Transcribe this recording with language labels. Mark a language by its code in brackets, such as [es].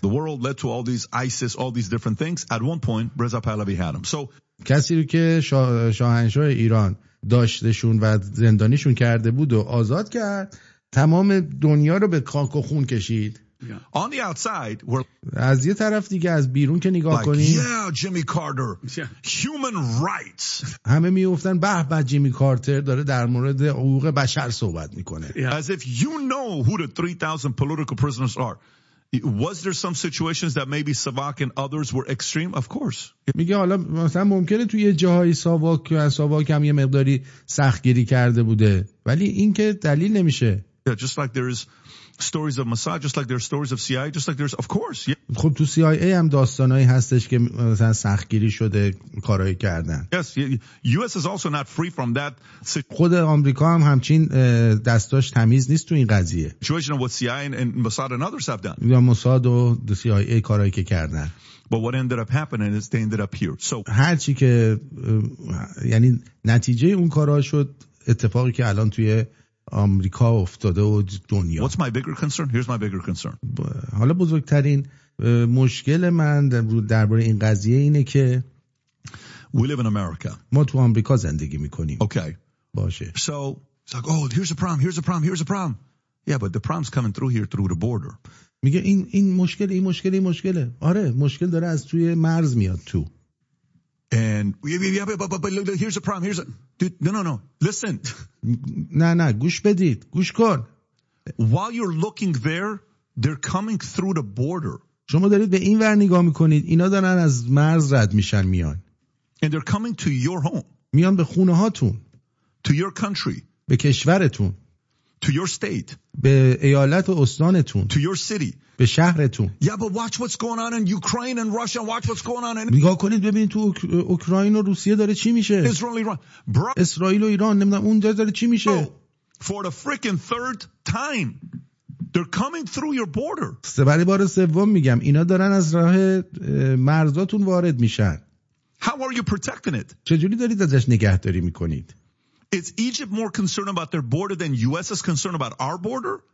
[en] The world led to all these ISIS, all these different things. At one point Reza Pahlavi had them. So [fa] کسی رو که شاهنشاه ایران داشتشون و زندانیشون کرده بود و آزاد کرد تمام دنیا رو به خاک و خون کشید. [en] Yeah. On the outside, we're [fa] از یه طرف دیگه از بیرون که نگاه کنیم جیمی کارتر هیومن رایتس همه میگفتن به به جیمی کارتر داره در مورد حقوق بشر صحبت میکنه. [en] As if you know who the 3000 political prisoners are. Was there some situations that maybe Savak and others were extreme? Of course. [fa] میگه حالا مثلا ممکنه توی یه جاهای ساواک هم یه مقداری سختگیری کرده بوده. ولی این که دلیل نمیشه. [en] Yeah, just like there is stories of Mossad, just like there are stories of CIA, just like there's, of course. Yeah. [fa] خب تو CIA هم داستانایی هستش که مثلا سختگیری شده کارهایی کردن. [en] Yes, US is also not free from that. [fa] خود آمریکا هم همچین دستاش تمیز نیست تو این قضیه. [en] Situation of what CIA and Mossad and others have done. [fa] یا موساد و CIA کارهایی که کردن. [en] But what ended up happening is they ended up here. So [fa] هر چی که یعنی نتیجه اون کارها شد اتفاقی که الان توی آمریکا افتاده و دنیا. [en] What's my bigger concern? Here's my bigger concern. [fa] حالا بزرگترین مشکل من درباره این قضیه اینه که [en] We live in America. [fa] ما تو آمریکا زندگی میکنیم. [en] Okay. [fa] باشه. [en] So it's like, oh, here's a problem. Here's a problem. Here's a problem. Yeah, but the problem's coming through here through the border. [fa] میگه این مشکله. آره، مشکل داره از توی مرز میاد تو. [en] And but here's a problem. No. Listen. [fa] نه. گوش بدید. گوش کن. [en] While you're looking there, they're coming through the border. [fa] شما دارید به این ور نگاه میکنید. اینا دارن از مرز رد میشن میان. [en] And they're coming to your home. [fa] میان به خونه هاتون. [en] To your country. [fa] به کشورتون. [en] To your state. [fa] به ایالت و استانتون. [en] To your city. [fa] به شهرتون. [en] Yeah, but watch what's going on in Ukraine and Russia. Watch what's going on in. [fa] نگاه کنید ببینید تو اوکراین و روسیه داره چی میشه. [en] Israel and Iran. [fa] اسرائیل و ایران نمیدونم اون داره چی میشه. [en] For the freaking third time, they're coming through your border. [fa] برای بار سوم میگم اینا دارن از راه مرزاتون وارد میشن. [en] How are you protecting it? [fa] چجوری دارید ازش نگهداری میکنید؟ [en] Is Egypt more concerned about their border than US is concerned about our border?